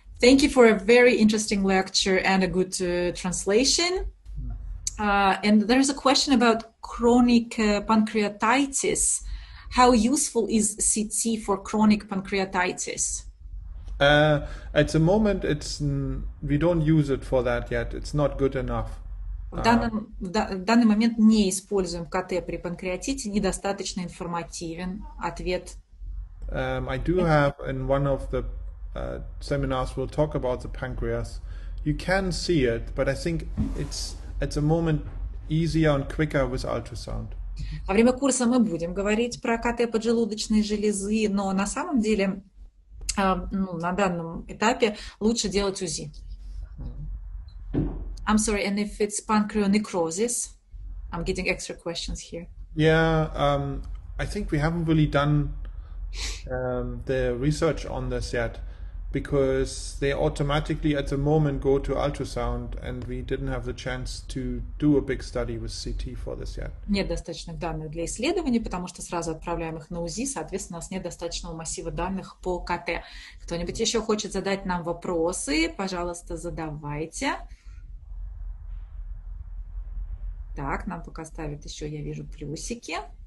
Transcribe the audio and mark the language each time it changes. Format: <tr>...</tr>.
<en>Thank you for a very interesting lecture and a good translation. And there is a question about chronic pancreatitis. How useful is CT for chronic pancreatitis? At the moment, we don't use it for that yet. It's not good enough.</en> <ru>В данный момент не используем КТ при панкреатите, недостаточно информативен ответ.</ru> <en>I do have in one of the seminars we'll talk about the pancreas. You can see it, but I think it's at the moment easier and quicker with ultrasound.</en> <ru>Во время курса мы будем говорить про КТ поджелудочной железы, но на самом деле на данном этапе лучше делать УЗИ.</ru> <en>I'm sorry, and if it's pancreonecrosis, I'm getting extra questions here. Yeah, I think we haven't really done the research on this yet, because they automatically at the moment go to ultrasound, and we didn't have the chance to do a big study with CT for this yet.</en> <ru>Нет достаточных данных для исследований, потому что сразу отправляем их на УЗИ, соответственно, у нас нет достаточного массива данных по КТ. Кто-нибудь еще хочет задать нам вопросы? Пожалуйста, задавайте. Так, нам пока ставят еще, я вижу, плюсики.</ru>